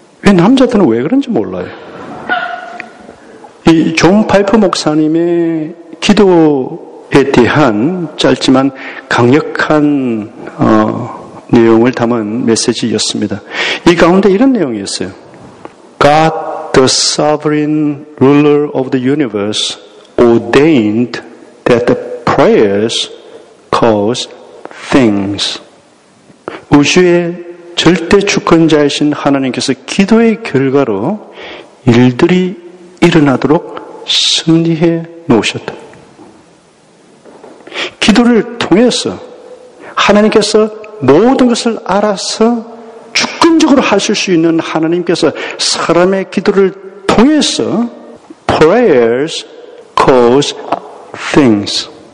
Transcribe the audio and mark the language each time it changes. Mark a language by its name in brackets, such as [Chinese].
[Korean] 왜 남자들은 왜 그런지 몰라요. 이 존 파이퍼 목사님의 기도에 대한 짧지만 강력한 내용을 담은 메시지였습니다. 이 가운데 이런 내용이었어요. [English] God, the sovereign ruler of the universe, ordained that the prayers cause things. [Korean] 우주의 절대 주권자이신 하나님께서 기도의 결과로 일들이 일어나도록 섭리해 놓으셨다. 기도를 통해서 하나님께서 모든 것을 알아서 주권적으로 하실 수 있는 하나님께서 사람의 기도를 통해서 [English] prayers cause things.